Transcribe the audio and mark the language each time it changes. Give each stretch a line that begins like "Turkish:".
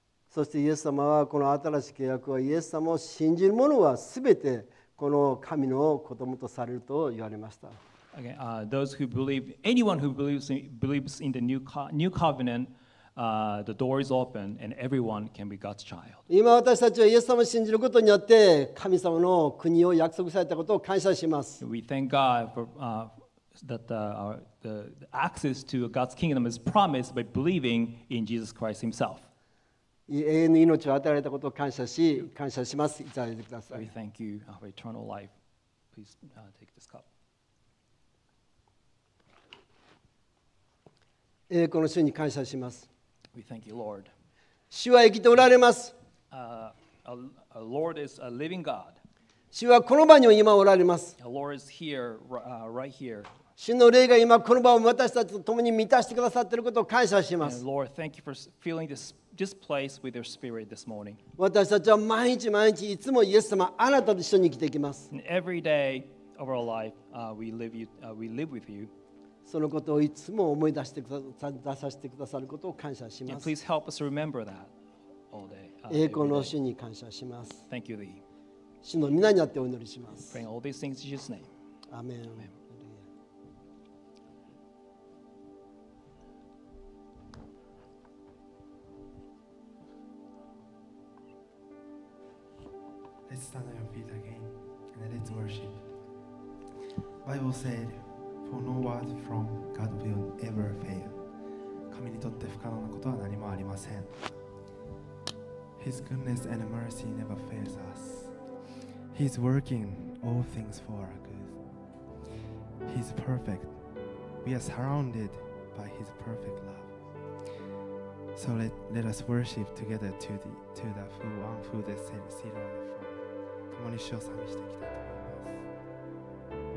Japanese: そしてイエス様はこの新しい契約はイエス様を信じる者はすべてこの神の子供とされると言われました。
English: Again, those who believe, anyone who believes in the New Covenant. The door is open and everyone can be God's child.
Japanese: 今私たちはイエス様を信じることによって神様の国を約束されたことを感謝します。
English: We thank God for the access to God's kingdom is promised by believing in Jesus Christ himself.
Japanese: 永遠の命を与えられたことを感謝し、感謝します。いただいてください。
English: We thank you for eternal life. Please take this cup.
Japanese: この主に感謝します。
English: We thank you, Lord.
Japanese: 主は生きておられます。
English: Our Lord is a living God.
Japanese: 主はこの場に今おられます。
English: Our Lord is here, right here.
Japanese: 主の霊が今この場を私たちと共に満たしてくださっていることを感謝します。
English: And Lord, thank you for filling this place with your spirit this morning.
Japanese: 私たちは毎日毎日いつもイエス様あなたと一緒に生きていきます。
English: And every day, of our life, we live with you.
Japanese: そのことをいつも思い出してくださ、出させてくださることを感謝します。
English: And please help us remember that all day.
Japanese: 栄光の主に感謝します。
English: Thank you, Lee.
Japanese: 主の御名にあってお祈りします。
English: Praying all these things in Jesus' name. Amen. Amen. Let's stand on your feet again and let's worship. Bible said, for no word from God will ever fail.
Japanese: 神にとって不可能なことは何もありません。
English: His goodness and mercy never fails us. He's working all things for our good. He's perfect. We are surrounded by His perfect love. So let us worship together to the one who is seated on the throne.
Japanese: 共に主を賛美していきたいと思います。